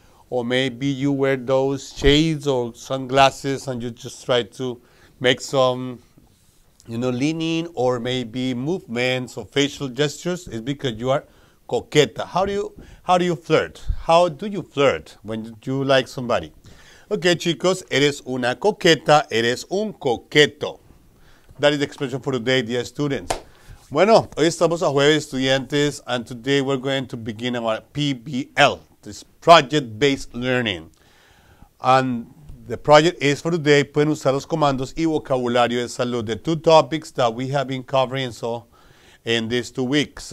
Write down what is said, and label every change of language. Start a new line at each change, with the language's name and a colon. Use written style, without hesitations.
English: Or maybe you wear those shades or sunglasses and you just try to make some, you know, leaning or maybe movements or facial gestures. It's because you are coqueta. How do you flirt? How do you flirt when you like somebody?
Spanish: Okay, chicos, eres una coqueta, eres un coqueto.
English: That is the expression for today, dear students.
Spanish: Bueno, hoy estamos a jueves, estudiantes,
English: and today we're going to begin our PBL, this project-based learning. And the project is for today,
Spanish: pueden usar los comandos y vocabulario de salud,
English: the two topics that we have been covering so in these 2 weeks.